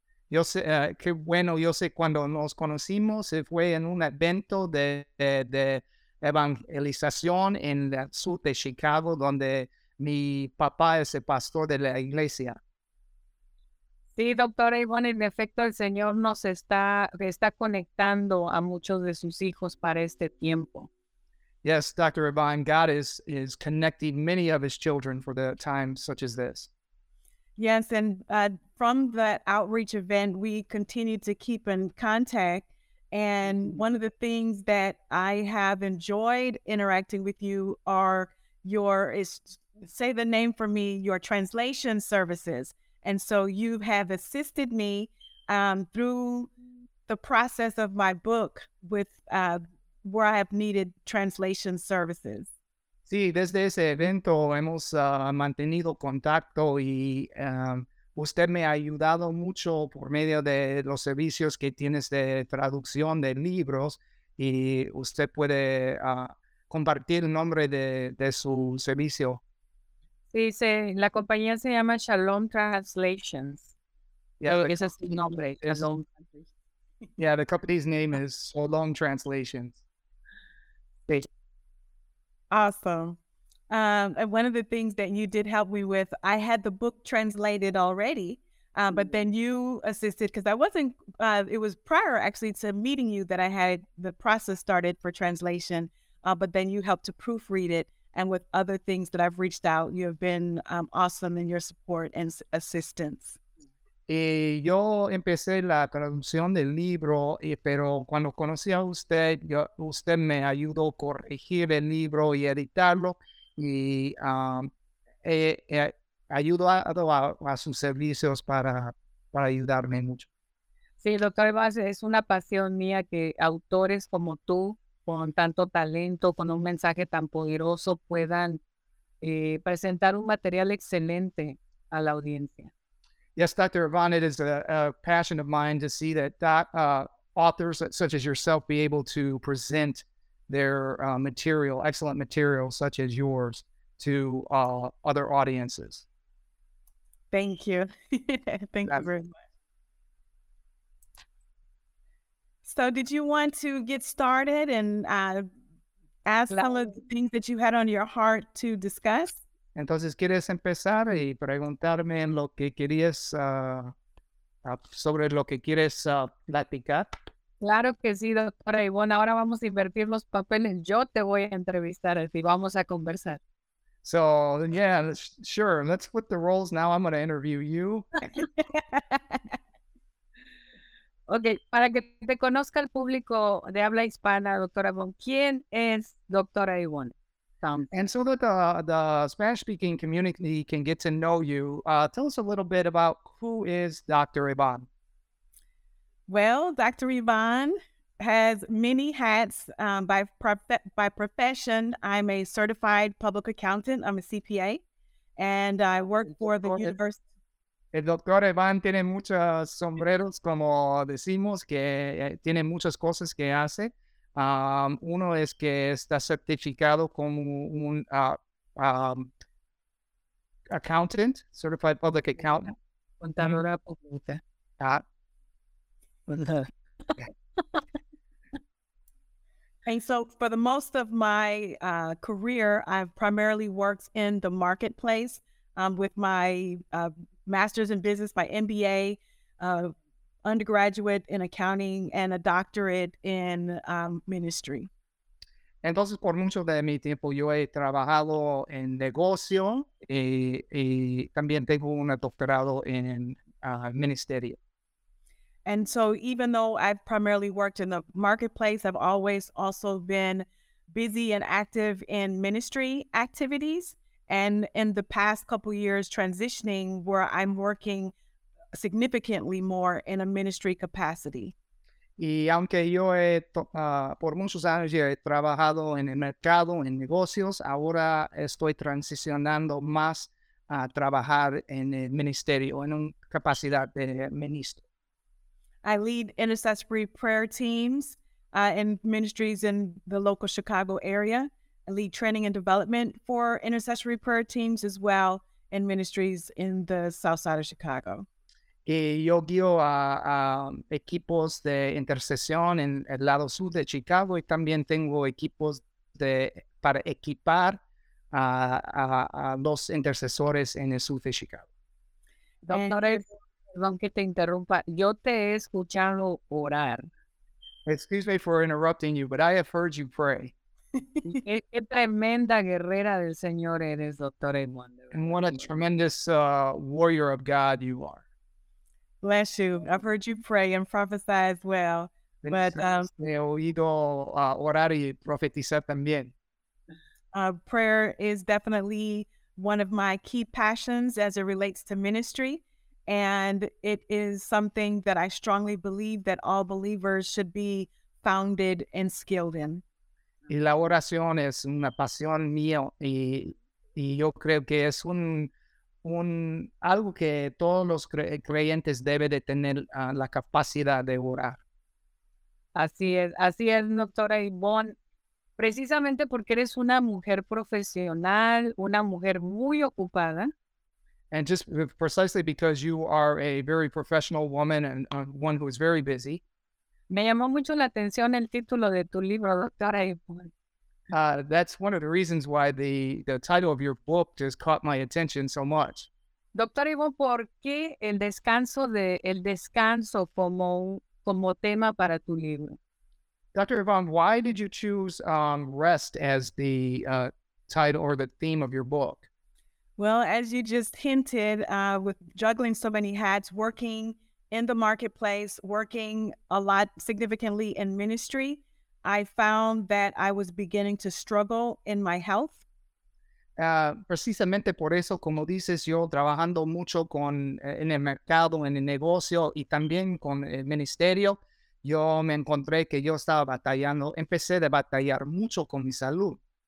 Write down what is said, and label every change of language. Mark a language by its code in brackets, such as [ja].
[es] Yo sé, qué bueno, yo sé cuando nos conocimos, fue en un evento de evangelización en el sur de Chicago, donde mi papá es el pastor de la iglesia. Sí, doctora Yvonne, en efecto, el Señor nos está conectando a muchos de sus hijos para este tiempo. [en] Yes, Dr. Yvonne, God is connecting many of his children for the time such as this. Yes, and from that outreach event, we continue to keep in contact. And one of the things that I have enjoyed interacting with you are your, is say the name for me, your translation services. And so you have assisted me through the process of my book with where I have needed translation services. [es] Sí, desde ese evento hemos mantenido contacto y usted me ha ayudado mucho por medio de los servicios que tienes de traducción de libros y usted puede compartir el nombre de su servicio. Sí, sí, la compañía se llama Shalom Translations. [en] Yeah, [es] ese es el nombre. [en] Yeah, the company's name is Shalom Translations. [es] Sí. [en] Awesome. And one of the things that you did help me with, I had the book translated already, but then you assisted because I wasn't, it was prior actually to meeting you that I had the process started for translation, but then you helped to proofread it. And with other things that I've reached out, you have been awesome in your support and assistance. [es] Y yo empecé la traducción del libro, pero cuando conocí a usted, usted me ayudó a corregir el libro y editarlo, y ayudó a sus servicios para ayudarme mucho. Sí, doctor Vaz, es una pasión mía que autores como tú, con tanto talento, con un mensaje tan poderoso, puedan presentar un material excelente a la audiencia. [en] Yes, Dr. Ivan, it is a passion of mine to see that authors such as yourself be able to present their material, excellent material such as yours, to other audiences. Thank you. Thank you very much. So did you want to get started and ask some of the things that you had on your heart to discuss? [es] Entonces, ¿quieres empezar y preguntarme en lo que querías, sobre lo que quieres platicar? Claro que sí, doctora Ivonne. Ahora vamos a invertir los papeles. Yo te voy a entrevistar y vamos a conversar. [en] So, yeah, sure. Let's flip the roles now. I'm going to interview you. [es] Okay, para que te conozca el público de habla hispana, doctora Ivonne, ¿quién es doctora Ivonne? [en] And so that the Spanish-speaking community can get to know you, tell us a little bit about who is Dr. Ivan. Well, Dr. Ivan has many hats. By profession, I'm a certified public accountant. I'm a CPA, and I work for the university. [es] El Dr. Ivan tiene muchos sombreros, como decimos, que tiene muchas cosas que hace. Uno es que está certificado como un [en] accountant, certified public accountant. [es] Contadora pública. [en] And so for the most of my career, I've primarily worked in the marketplace with my master's in business, my MBA, undergraduate in accounting and a doctorate in ministry. [es] Entonces, por mucho de mi tiempo, yo he trabajado en negocio y también tengo un doctorado en ministerio. [en] And so even though I've primarily worked in the marketplace, I've always also been busy and active in ministry activities. And in the past couple years, transitioning where I'm working significantly more in a ministry capacity. [es] Y aunque yo he, por muchos años yo he trabajado en el mercado, en negocios, ahora estoy transicionando más a trabajar en el ministerio, en una capacidad de ministro. [en] I lead intercessory prayer teams in ministries in the local Chicago area. I lead training and development for intercessory prayer teams as well in ministries in the south side of Chicago. [es] Y yo guío a equipos de intercesión en el lado sur de Chicago y también tengo equipos de para equipar a los intercesores en el sur de Chicago. Doctor, perdón que te interrumpa. Yo te he escuchado orar. [en] Excuse me for interrupting you, but I have heard you pray. [es] Qué tremenda guerrera del Señor eres, Dr. Edmond. [en] And what a tremendous warrior of God you are. Bless you. I've heard you pray and prophesy as well. [es] He oído orar y profetizar también. [en] Prayer is definitely one of my key passions as it relates to ministry. And it is something that I strongly believe that all believers should be founded and skilled in. [es] Y la oración es una pasión mía y yo creo que es un algo que todos los creyentes deben de tener la capacidad de orar. Así es, doctora Yvonne. Precisamente porque eres una mujer profesional, una mujer muy ocupada. [en] And just precisely because you are a very professional woman and one who is very busy. [es] Me llamó mucho la atención el título de tu libro, doctora Yvonne. [en] That's one of the reasons why the title of your book just caught my attention so much. [es] Doctora Yvonne, ¿por qué el descanso como tema para tu libro? [en] Dr. Yvonne, why did you choose rest as the title or the theme of your book? Well, as you just hinted, with juggling so many hats, working in the marketplace, working a lot significantly in ministry, I found that I was beginning to struggle in my health. [es] Precisamente por eso, como dices, yo trabajando mucho en el mercado, en el negocio y también con el ministerio, yo me encontré que yo estaba batallando, empecé a batallar mucho con mi salud.